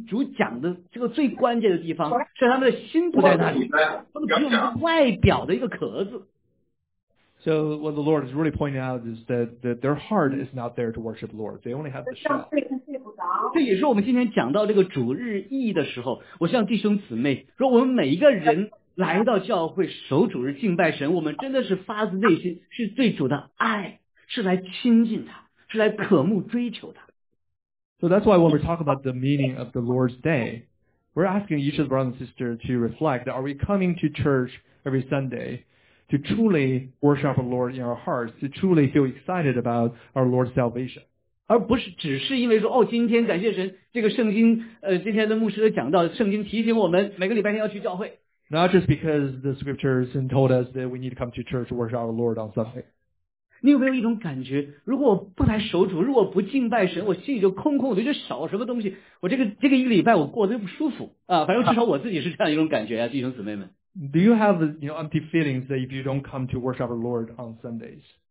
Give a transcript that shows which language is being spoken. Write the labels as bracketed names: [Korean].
[Chinese] 这里主讲的这个最关键的地方, 是他们的心不在那里, 他们只有外表的一个壳子。 [English] So what the Lord is really pointing out is that their heart is not there to worship the Lord. They only have the shell. [Chinese] 这也是我们今天讲到这个主日意义的时候，我想弟兄姊妹，说我们每一个人来到教会守主日敬拜神，我们真的是发自内心，是对主的爱，是来亲近他，是来渴慕追求他。So [English] that's why when we're talking about the meaning of the Lord's Day, we're asking each of the brothers and sisters to reflect, are we coming to church every Sunday to truly worship the Lord in our hearts, to truly feel excited about our Lord's salvation. [Chinese] 而不是只是因为说, 哦, 今天感谢神, 这个圣经, 今天的牧师讲到, 圣经提醒我们, 每个礼拜天要去教会。 [English] Not just because the scriptures told us that we need to come to church to worship our Lord on Sunday. [Chinese] 你有没有一种感觉, 如果我不来守主, 如果不敬拜神, 我心里就空空的, 就少了什么东西, 我这个一礼拜我过得不舒服, 啊, 反正至少我自己是这样一种感觉, 啊, 弟兄姊妹们。 [English] Do you have empty feelings that if you don't come to worship the Lord on Sundays?